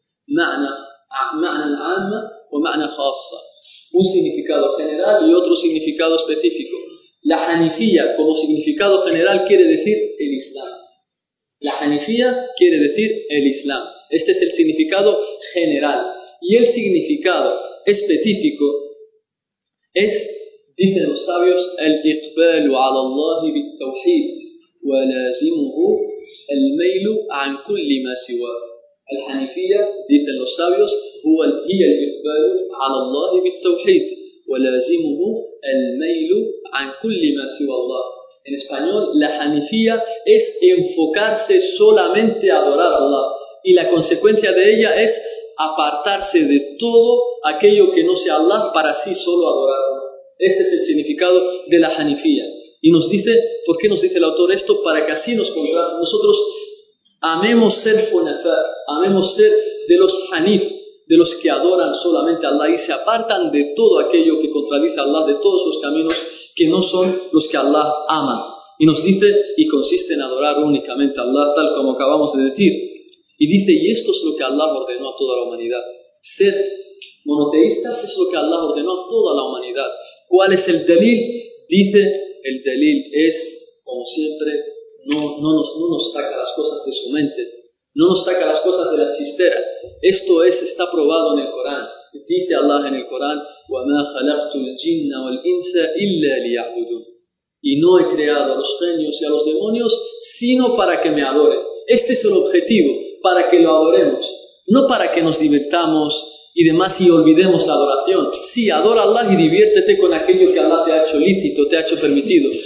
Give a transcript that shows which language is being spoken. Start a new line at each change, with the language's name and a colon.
Arabic: معنى العام ومعنى خاص.
Spanish: Un significado general y otro significado específico. La hanifía como significado general quiere decir el Islam. La hanifía quiere decir el Islam. Este es el significado general. Y el significado específico es, dicen los sabios, el
Arabic: اقبال على الله بالتوحيد ولازمه الميل عن كل ما سواه. الحنيفية
Spanish: dicen los sabios
Arabic: هو هي الإقبال على الله بالتوحيد ولازمه الميل عن كل ما سوى الله.
Spanish: En español, la hanifía es enfocarse solamente a adorar a Allah, y la consecuencia de ella es apartarse de todo aquello que no sea Allah para sí solo adorarlo. Este es el significado de la hanifía. Y nos dice, ¿por qué nos dice el autor esto? Para que así nos pongamos nosotros, amemos ser hunafá, amemos ser de los hanif, de los que adoran solamente a Allah y se apartan de todo aquello que contradice a Allah, de todos los caminos que no son los que Allah ama. Y nos dice, y consiste en adorar únicamente a Allah, tal como acabamos de decir. Y dice, y esto es lo que Allah ordenó a toda la humanidad. Ser monoteístas es lo que Allah ordenó a toda la humanidad. ¿Cuál es el delil? Dice, el delil es, como siempre, no nos saca las cosas de su mente, no nos saca las cosas de la chistera. Esto es, está probado en el Corán. Dice Allah en el Corán,
Arabic: وَمَا خَلَقْتُ الْجِنَّ وَالْإِنْسَ إِلَّا لِيَعْبُدُونَ.
Spanish: Y no he creado a los genios y a los demonios, sino para que me adoren. Este es el objetivo, para que lo adoremos. No para que nos divirtamos y demás y olvidemos la adoración. Sí, adora a Allah y diviértete con aquello que Allah te ha hecho lícito, te ha hecho permitido.